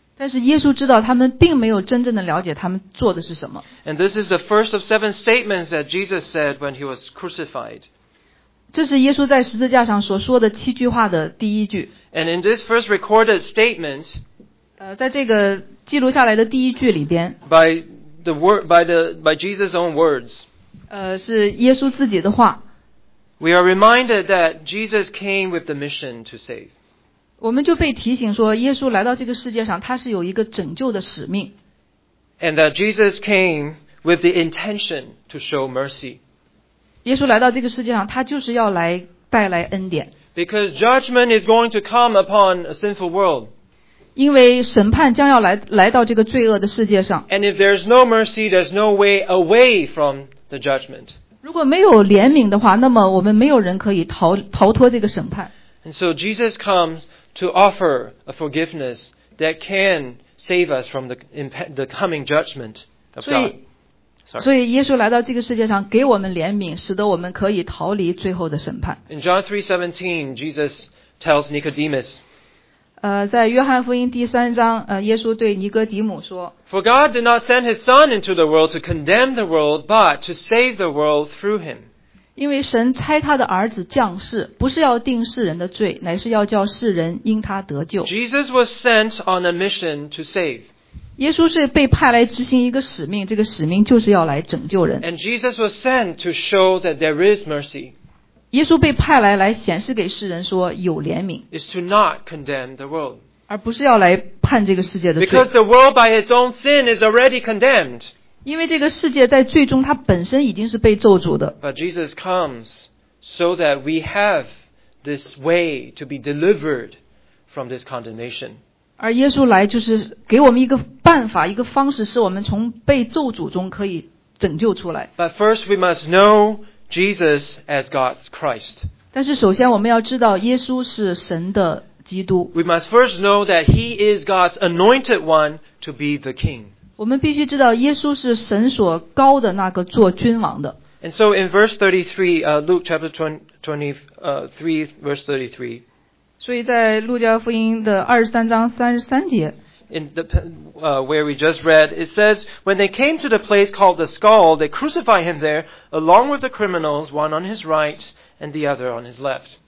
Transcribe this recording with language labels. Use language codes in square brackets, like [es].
[zh] 但是耶稣知道他们并没有真正的了解他们做的是什么。 [en] And this is the first of seven statements that Jesus said when he was crucified. [zh] 这是耶稣在十字架上所说的七句话的第一句。 [en] And in this first recorded statement, [zh] 在这个记录下来的第一句里边， [en] by Jesus' own words, [zh] 是耶稣自己的话。 [en] We are reminded that Jesus came with the mission to save. [zh] 我们就被提醒说，耶稣来到这个世界上，他是有一个拯救的使命。 [en] And that Jesus came with the intention to show mercy. [zh] 耶稣来到这个世界上，他就是要来带来恩典。 [en] Because judgment is going to come upon a sinful world. [zh] 因为审判将要来到这个罪恶的世界上。 [en] And if there's no mercy, there's no way away from the judgment. [zh] 如果没有怜悯的话，那么我们没有人可以逃脱这个审判。 [en] And so Jesus comes to offer a forgiveness that can save us from the coming judgment of God. [zh] 所以耶稣来到这个世界上给我们怜悯，使得我们可以逃离最后的审判。 [en] In John 3:17, Jesus tells Nicodemus, [zh] 在约翰福音第三章，耶稣对尼哥底母说， [en] For God did not send his son into the world to condemn the world, but to save the world through him. [zh] 因为神差他的儿子降世，不是要定世人的罪，乃是要叫世人因他得救。 [en] Jesus was sent on a mission to save. [zh] 耶稣是被派来执行一个使命，这个使命就是要来拯救人。 [en] And Jesus was sent to show that there is mercy. [zh] 耶稣被派来来显示给世人说有怜悯。 [en] Is to not condemn the world. [zh] 而不是要来判这个世界的罪。 [en] Because the world by its own sin is already condemned. [zh] 因为这个世界在最终它本身已经是被咒诅的。 [en] But Jesus comes so that we have this way to be delivered from this condemnation. [zh] 而耶稣来就是给我们一个办法，一个方式，使我们从被咒诅中可以拯救出来。 [en] But first we must know Jesus as God's Christ. [zh] 但是首先我们要知道耶稣是神的基督。 [en] We must first know that he is God's anointed one to be the king. [zh] 我们必须知道耶稣是神所高的那个做君王的。 [en] And so in verse 33, Luke chapter 23, verse 33, [zh] 所以在路加福音的23章33节 [en] In the, where we just read, it says, When they came to the place called the skull, they crucified him there, along with the criminals, one on his right and the other on his left.